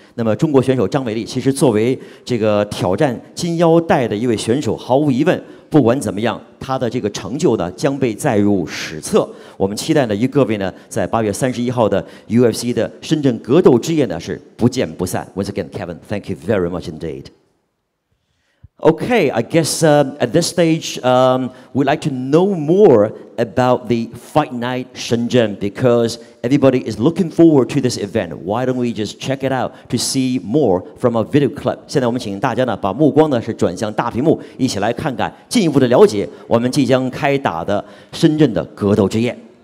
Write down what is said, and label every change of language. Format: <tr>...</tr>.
<zh>那么中国选手张伟丽其实作为这个挑战金腰带的一位选手，毫无疑问，不管怎么样，他的这个成就呢将被载入史册。我们期待呢与各位呢在8月31号的 UFC 的深圳格斗之夜呢是不见不散。</zh> <en>Once again, Kevin, thank you very much indeed. Okay, I guess at this stage, we'd like to know more about the Fight Night Shenzhen because everybody is looking forward to this event. Why don't we just check it out to see more from a video clip?</en> <zh>现在我们请大家呢把目光呢是转向大屏幕，一起来看看进一步的了解我们即将开打的深圳的格斗之夜。</zh>